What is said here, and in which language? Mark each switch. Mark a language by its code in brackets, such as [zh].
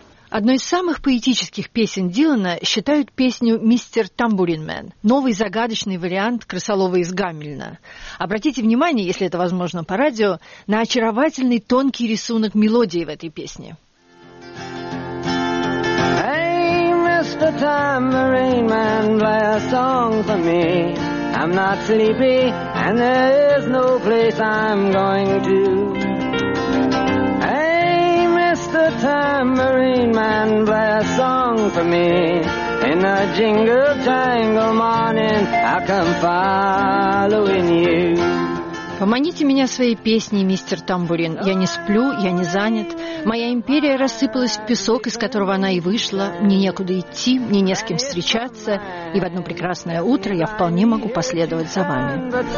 [ru] Одной из самых поэтических песен Дилана считают песню «Мистер Тамбуринмен» — новый загадочный вариант «Крысолова из Гамельна». Обратите внимание, если это возможно по радио, на очаровательный тонкий рисунок мелодии в этой песне. [en] Hey, Mr. Tambourine Man, play a song for me. I'm not sleepy, and there is no place I'm going to. Mr. Tambourine Man, play a song for me. In a jingle jangle morning, I'll come following you. [ru] Поманите меня своей песней, мистер Тамбурин. Я не сплю, я не занят. Моя империя рассыпалась в песок, из которого она и вышла. Мне некуда идти, мне не с кем встречаться. И в одно прекрасное утро я вполне могу последовать за вами.